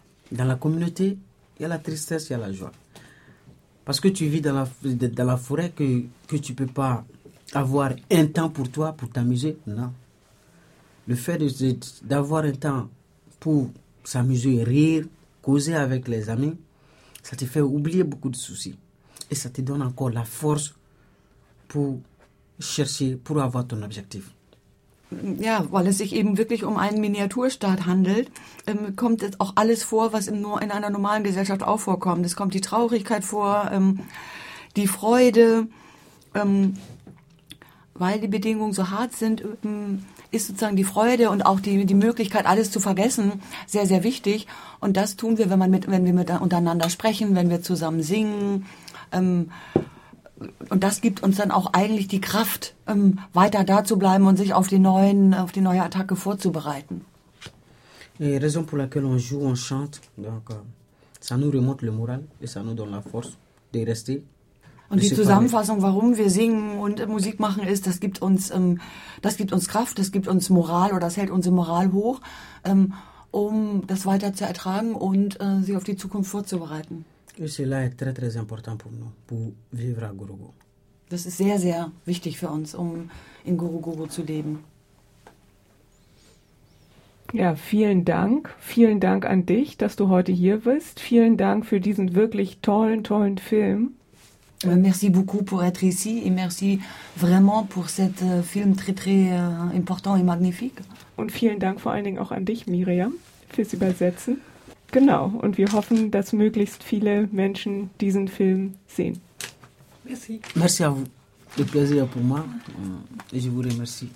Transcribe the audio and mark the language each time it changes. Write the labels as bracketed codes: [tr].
[fr] Dans la communauté, il y a la tristesse, il y a la joie. Parce que tu vis dans la forêt que tu ne peux pas avoir un temps pour toi, pour t'amuser. Non. Le fait d'avoir un temps pour s'amuser, rire, causer avec les amis, ça te fait oublier beaucoup de soucis. Et ça te donne encore la force pour chercher, pour avoir ton objectif. [de] Ja, weil es sich eben wirklich um einen Miniaturstaat handelt, kommt jetzt auch alles vor, was nur in einer normalen Gesellschaft auch vorkommt. Es kommt die Traurigkeit vor, die Freude, weil die Bedingungen so hart sind, ist sozusagen die Freude und auch die Möglichkeit, alles zu vergessen, sehr, sehr wichtig. Und das tun wir, wenn wir untereinander sprechen, wenn wir zusammen singen. Und das gibt uns dann auch eigentlich die Kraft, weiter da zu bleiben und sich auf die neue Attacke vorzubereiten. [fr] Die Raison pour laquelle on joue, on chante, donc, ça nous remonte le moral et ça nous donne la force de rester. [de] Und die Zusammenfassung, warum wir singen und Musik machen, ist, das gibt uns Kraft, das gibt uns Moral oder das hält unsere Moral hoch, um das weiter zu ertragen und sich auf die Zukunft vorzubereiten. Das ist sehr, sehr wichtig für uns, um in Guruguru zu leben. Ja, vielen Dank. Vielen Dank an dich, dass du heute hier bist. Vielen Dank für diesen wirklich tollen, tollen Film. [fr] Merci beaucoup pour être ici et merci vraiment pour cet film très très important et magnifique. [de] Und vielen Dank vor allen Dingen auch an dich, Miriam, fürs Übersetzen. Genau, und wir hoffen, dass möglichst viele Menschen diesen Film sehen. [fr] Merci. Merci à vous. Le plaisir pour moi. Et je vous remercie.